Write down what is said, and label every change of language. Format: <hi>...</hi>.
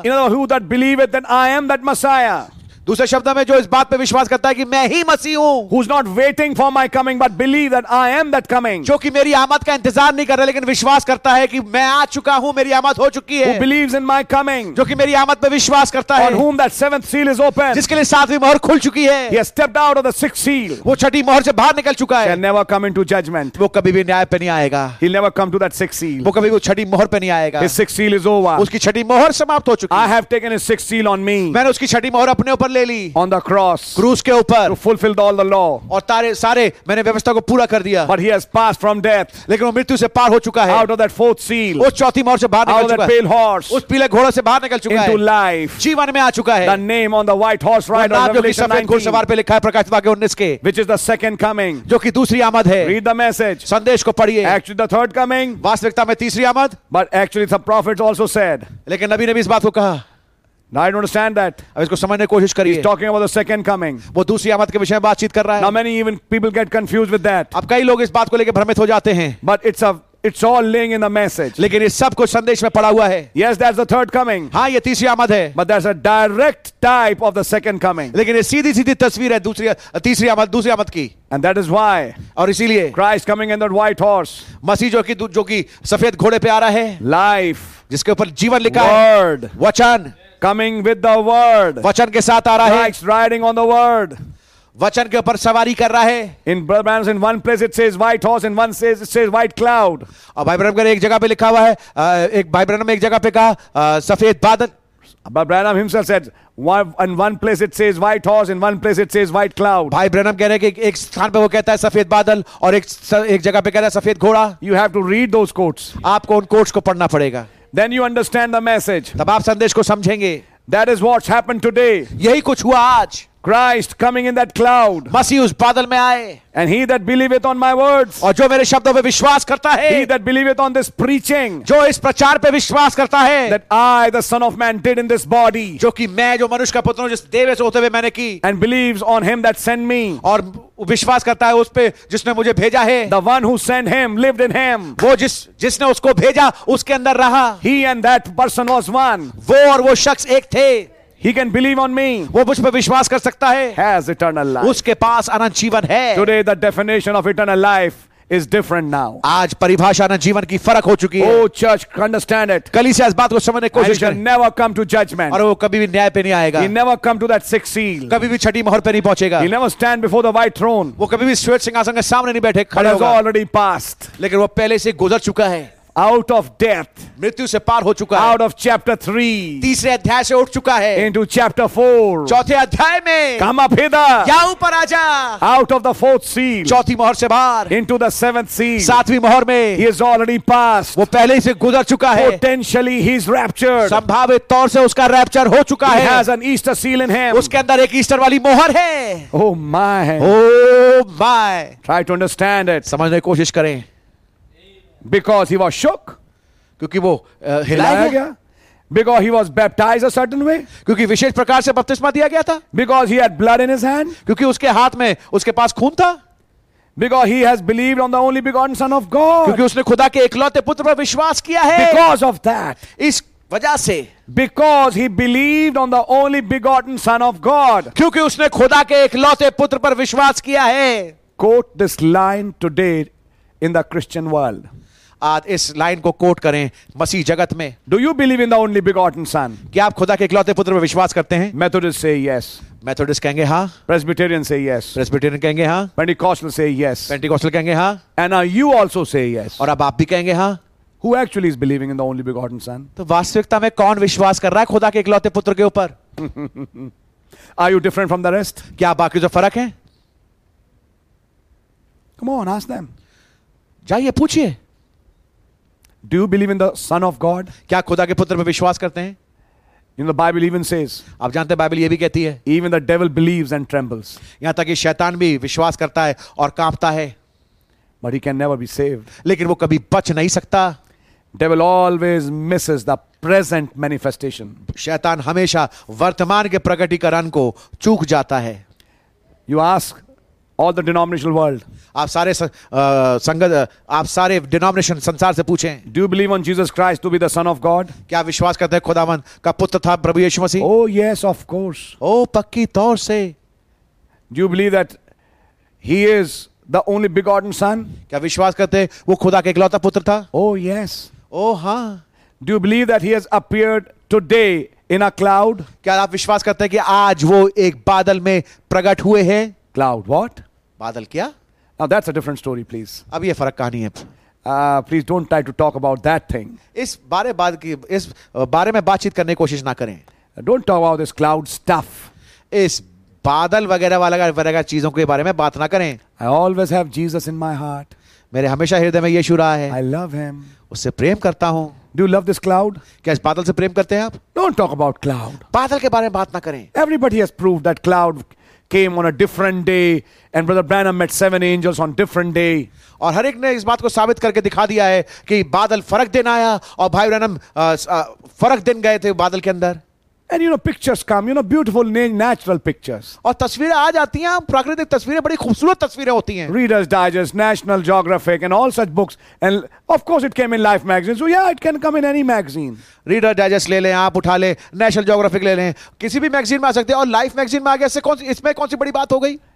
<en>You know, who that believeth that I am that Messiah.</en> <hi>दूसरे शब्द में जो इस बात पे विश्वास करता है कि मैं ही मसीह हूं.</hi> <en>Who's not waiting for my coming but believe that I am that coming.</en> <hi>जो कि मेरी आमद का इंतजार नहीं कर रहा लेकिन विश्वास करता है कि मैं आ चुका हूं, मेरी आमद हो चुकी है.</hi> <en>Who believes in my coming.</en> <hi>जो कि मेरी आमद पे विश्वास करता है.</hi> <en>On whom that seventh seal is open.</en> <hi>जिसके लिए सातवीं मोहर खुल चुकी है.</hi> <en>He has stepped out of the sixth seal.</en> <hi>वो छठी मोहर से बाहर निकल चुका है.</hi> <en>Shall never come into judgment.</en> <hi>वो कभी भी न्याय पे नहीं आएगा.</hi> <en>He'll never come to that sixth seal.</en> <hi>वो कभी भी छठी मोहर पे नहीं आएगा.</hi> <en>His sixth seal is over.</en> <hi>उसकी छठी मोहर समाप्त हो चुकी है.</hi> <en>I have taken his sixth seal on me.</en> <hi>मैंने उसकी छठी मोहर अपने ऊपर</hi> <en>On the cross,</en> <hi>क्रूस के ऊपर,</hi> <en>to fulfill all the law,</en> <hi>और सारे मैंने व्यवस्था को पूरा कर दिया.</hi> <en>But he has passed from death,</en> <hi>लेकिन वो मृत्यु से पार हो चुका है.</hi> <en>Out of that fourth seal,</en> <hi>उस चौथी मोहर से बाहर निकल चुका है.</hi> <en>Out of that pale horse,</en> <hi>उस पीले घोड़े से बाहर निकल चुका है.</hi> <en>Into life,</en> <hi>जीवन में आ चुका है.</hi> <en>The name on the white horse rider,</en> <hi>नाम जो कि सफेद घुड़सवार पे लिखा है प्रकाशित वाक्य 19 के,</hi> <en>which is the second coming,</en> <hi>जो कि दूसरी आमद है.</hi> <en>Read the message,</en> <hi>संदेश को पढ़िए.</hi> <en>Actually the third coming,</en> <hi>वास्तविकता में तीसरी आमद.</hi> <en>But actually the prophets also said,</en> <hi>लेकिन नबी ने भी इस बात को कहा.</hi> <en>Now I don't understand that.</en> <hi>अब इसको समझने की कोशिश करिए.</hi> <en>He's talking about the second coming.</en> <hi>वो दूसरी आमद के विषय में बातचीत कर रहा है.</hi> <en>Now many even people get confused with that.</en> <hi>अब कई लोग इस बात को लेकर भ्रमित हो जाते हैं.</hi> <en>But it's all laying in the message.</en> <hi>लेकिन ये सब कुछ संदेश में पड़ा हुआ है.</hi> <en>Yes, that's the third coming.</en> <hi>हाँ, ये तीसरी आमद है.</hi> <en>But there's a direct type of the second coming.</en> <hi>लेकिन ये सीधी सीधी तस्वीर है दूसरी आमद की.</hi> <en>And that is why.</en> <hi>और इसीलिए.</hi> <en>Christ coming in that white horse.</en> <hi>मसीह जो कि सफेद घोड़े पे आ रहा है.</hi> <en>Life.</en> <hi>जिसके ऊपर जीवन लिखा है.</hi> <en>Word.</en> <hi>वचन.</hi> <en>Coming with the word,</en> <hi>वचन के साथ आ रहा है.</hi> <en>Christ riding on the word,</en> <hi>वचन के ऊपर सवारी कर रहा है.</hi> <en>In Brother Branham's in one place it says white horse, in one says it says white cloud.</en> <hi>और भाई ब्रैनम का एक जगह पे लिखा हुआ है, एक भाई ब्रैनम एक जगह पे कहा सफेद बादल.</hi> <en>Brother Branham himself said, in one place it says white horse, in one place it says white cloud.</en> <hi>भाई ब्रैनम कह रहे हैं कि एक स्थान पे वो कहता है सफेद बादल और एक जगह पे कह रहा है सफेद घोड़ा.</hi> <en>You have to read those quotes.</en> <hi>आपको उन quotes को पढ़ना पड़ेगा.</hi> <en>Then you understand the message.</en> <hi>तब आप संदेश को समझेंगे.</hi> <en>That is what's happened today.</en> <hi>यही कुछ हुआ आज.</hi> <en>Christ coming in that cloud.</en> <hi>मसीह उस बादल में आए.</hi> <en>And he that believeth on my words.</en> <hi>और जो मेरे शब्दों पे विश्वास करता है.</hi> <en>He that believeth on this preaching.</en> <hi>जो इस प्रचार पे विश्वास करता है.</hi> <en>That I, the Son of Man, did in this body.</en> <hi>जो कि मैं जो मनुष्य का पुत्र हूँ जिस देह से होते हुए मैंने की.</hi> <en>And believes on him that sent me.</en> <hi>और विश्वास करता है उस पे जिसने मुझे भेजा है.</hi> <en>The one who sent him lived in him.</en> <hi>वो जिसने उसको भेजा उसके अंदर रहा.</hi> <en>He and that person was one.</en> <hi>वो और वो शख्स एक थे.</hi> <en>He can believe on me.</en> <hi>वो मुझ पर विश्वास कर सकता है.</hi> <en>Has eternal life.</en> <hi>उसके पास अनंत जीवन है.</hi> <en>Today the definition of eternal life is different now.</en> <hi>आज परिभाषा अनंत जीवन की फर्क हो चुकी है.</hi> <en>Oh church, understand it.</en> <hi>कलीसिया इस बात को समझने की कोशिश करें.</hi> <en>He never come to judgment.</en> <hi>और वो कभी भी न्याय पे नहीं आएगा.</hi> <en>He never come to that sixth seal.</en> <hi>कभी भी छठी मोहर पे नहीं पहुंचेगा.</hi> <en>He never stand before the white throne.</en> <hi>वो कभी भी श्वेत सिंहासन के सामने नहीं बैठे खड़े होगा.</hi> <en>But has already passed.</en> <hi>लेकिन वो पहले से गुजर चुका है.</hi> <en>Out of death,</en> <hi>मृत्यु से पार हो चुका है.</hi> <en>Out of chapter 3,</en> <hi>तीसरे अध्याय से उठ चुका है.</hi> <en>Into chapter 4,</en> <hi>चौथे अध्याय में.</hi> <en>Come up hither,</en> <hi>या ऊपर आजा.</hi> <en>Out of the fourth seal,</en> <hi>चौथी मोहर से बाहर.</hi> <en>Into the seventh seal,</en> <hi>सातवीं मोहर में.</hi> <en>He has already passed,</en> <hi>वो पहले ही से गुजर चुका है.</hi> <en>Potentially he is raptured,</en> <hi>संभावित तौर से उसका रैप्चर हो चुका है.</hi> <en>He has an Easter seal in him,</en> <hi>उसके अंदर एक ईस्टर वाली मोहर है.</hi> <en>Oh my, oh my. Try to understand it,</en> <hi>समझने की कोशिश करें.</hi> <en>Because he was shook.</en> <hi>क्योंकि वो हिलाया गया.</hi> <en>Because he was baptized a certain way.</en> <hi>क्योंकि विशेष प्रकार से बपतिस्मा दिया गया था.</hi> <en>Because he had blood in his hand.</en> <hi>क्योंकि उसके हाथ में उसके पास खून था.</hi> <en>Because he has believed on the only begotten Son of God.</en> <hi>क्योंकि उसने खुदा के एकलौते पुत्र पर विश्वास किया है.</hi> <en>Because of that.</en> <hi>इस वजह से.</hi> <en>Because he believed on the only begotten Son of God.</en> <hi>क्योंकि उसने खुदा के एकलौते पुत्र पर विश्वास किया है.</hi> <en>Quote this line today in the Christian world.</en> <hi>आज इस लाइन को कोट करें मसीह जगत में.</hi> <en>Do you believe in the only begotten Son?</en> <hi>क्या आप खुदा के इकलौते पुत्र पर विश्वास करते हैं?</hi> <en>Methodists say yes.</en> <hi>Methodists कहेंगे हाँ.</hi> <en>Presbyterian say yes.</en> <hi>Presbyterian कहेंगे हाँ.</hi> <en>Pentecostal say yes.</en> <hi>Pentecostal कहेंगे हाँ.</hi> <en>And now you also say yes.</en> <hi>और अब आप भी कहेंगे हाँ.</hi> <en>Who actually is believing in the only begotten Son?</en> <hi>तो वास्तविकता में कौन विश्वास कर रहा है खुदा के इकलौते पुत्र के ऊपर?</hi> <en>Are you different from the rest?</en> <hi>क्या बाकी जो फर्क है?</hi> <en>Come on, ask them.</en> <hi>जाइए पूछिए.</hi> <en>Do you believe in the Son of God?</en> <hi>क्या खुदा के पुत्र पर विश्वास करते हैं?</hi> <en>You know, the Bible even says.</en> <hi>आप जानते हैं बाइबल ये भी कहती है.</hi> <en>Even the devil believes and trembles.</en> <hi>यहाँ तक कि शैतान भी विश्वास करता है और कांपता है.</hi> <en>But he can never be saved.</en> <hi>लेकिन वो कभी बच नहीं सकता.</hi> <en>Devil always misses the present manifestation.</en> <hi>शैतान हमेशा वर्तमान के प्रकटीकरण को चूक जाता है.</hi> <en>You ask. All the denominational world.</en> <hi>आप सारे संगत, आप सारे denomination संसार से पूछें.</hi> <en>Do you believe on Jesus Christ to be the Son of God?</en> <hi>क्या विश्वास करते हैं खुदावन का पुत्र था प्रभु यीशु मसीह?</hi> <en>Oh yes, of course.</en> <hi>Oh, पक्की तौर से.</hi> <en>Do you believe that He is the only begotten Son?</en> <hi>क्या विश्वास करते हैं वो खुदा के इकलौता पुत्र था?</hi> <en>Oh yes.</en> <hi>Oh हाँ.</hi> <en>Do you believe that He has appeared today in a cloud?</en> <hi>क्या आप विश्वास करते हैं कि आज वो एक बादल में प्रकट हुए हैं?</hi> <en>Cloud, what?</en> <hi>बादल क्या?</hi> <en>Now that's a different story, please.</en> <hi>अब ये फर्क कहानी है.</hi> <en>Please don't try to talk about that thing.</en> <hi>इस बारे में बातचीत करने की कोशिश ना करें.</hi> <en>Don't talk about this cloud stuff.</en> <hi>इस बादल वगैरह वाला चीजों के बारे में बात ना करें.</hi> <en>I always have Jesus in my heart.</en> <hi>मेरे हमेशा हृदय में यीशु रहा है.</hi> <en>I love him.</en> <hi>उससे प्रेम करता हूँ.</hi> <en>Do you love this cloud?</en> <hi>क्या इस बादल से प्रेम करते हैं आप?</hi> <en>Don't talk about cloud.</en> <hi>बादल के बारे में बात ना करें.</hi> <en>Everybody has proved that cloud. Came on a different day, and Brother Branham met seven angels on different day.</en> <hi>और हर एक ने इस बात को साबित करके दिखा दिया है कि बादल फरक दिन आया और भाई ब्रैनम फरक दिन गए थे बादल के अंदर.</hi> <en>And you know pictures come, you know beautiful natural pictures.</en> <hi>और तस्वीरें आ जाती हैं, प्राकृतिक तस्वीरें, बड़ी खूबसूरत तस्वीरें होती हैं.</hi> <en>Reader's Digest, National Geographic, and all such books. And of course, it came in Life magazine. So yeah, it can come in any magazine.</en> <hi>Reader Digest ले लें, आप उठा लें, National Geographic ले लें, किसी भी मैगजीन में आ सकती है. और Life magazine में आ गया, इसमें कौन सी बड़ी बात हो गई?</hi>